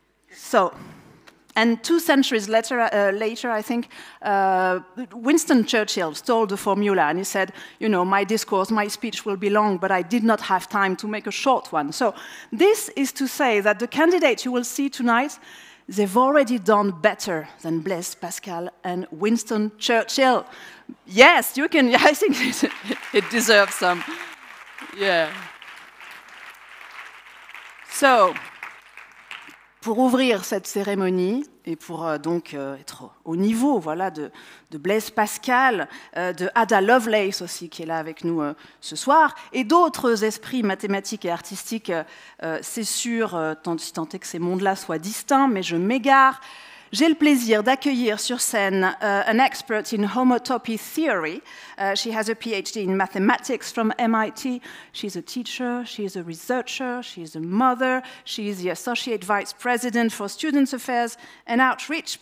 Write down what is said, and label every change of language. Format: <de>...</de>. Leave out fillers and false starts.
<en>So, and two centuries later, Winston Churchill stole the formula and he said, you know, my discourse, my speech will be long, but I did not have time to make a short one. So this is to say that the candidates you will see tonight, they've already done better than Blaise Pascal and Winston Churchill. Yes, you can, yeah, I think it deserves some, yeah.</en> <fr>So, pour ouvrir cette cérémonie, et pour donc être au niveau, voilà, de Blaise Pascal, de Ada Lovelace aussi, qui est là avec nous ce soir, et d'autres esprits mathématiques et artistiques, c'est sûr, tant est que ces mondes-là soient distincts, mais je m'égare. J'ai le plaisir d'accueillir sur scène</fr> <en>an expert in homotopy theory. She has a PhD in mathematics from MIT. She's a teacher, she's a researcher, she's a mother, she's the associate vice president for students affairs and outreach.</en>